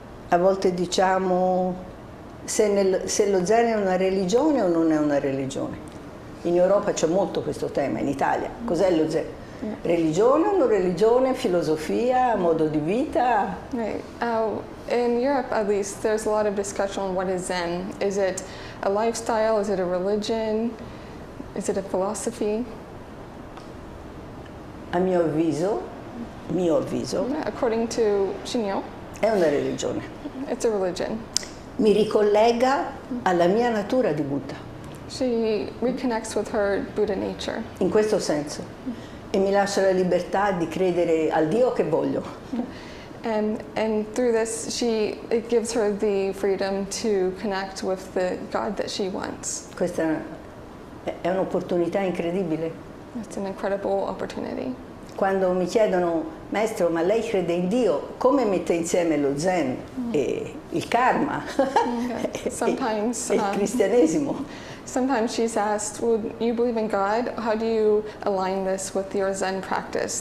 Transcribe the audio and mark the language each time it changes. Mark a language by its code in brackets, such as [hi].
[it] A volte diciamo se lo Zen è una religione o non è una religione. In Europa c'è molto questo tema, in Italia. Cos'è lo Zen? Religione o non religione? Filosofia? Modo di vita? [en] Right. In Europe, at least, there's a lot of discussion on what is Zen. Is it a lifestyle? Is it a religion? Is it a philosophy? [it] A mio avviso. [en] According to Shinyo. [it] È una religione. [en] It's a religion. [it] Mi ricollega alla mia natura di Buddha. [en] She reconnects with her Buddha nature. [it] In questo senso. E mi lascia la libertà di credere al Dio che voglio. [en] And through this, it gives her the freedom to connect with the God that she wants. [it] Questa è un'opportunità incredibile. [en] It's an incredible opportunity. [it] Quando mi chiedono, maestro, ma lei crede in Dio, come mette insieme lo Zen e il karma e il cristianesimo? [en] Sometimes she's asked, well, you believe in God, how do you align this with your Zen practice?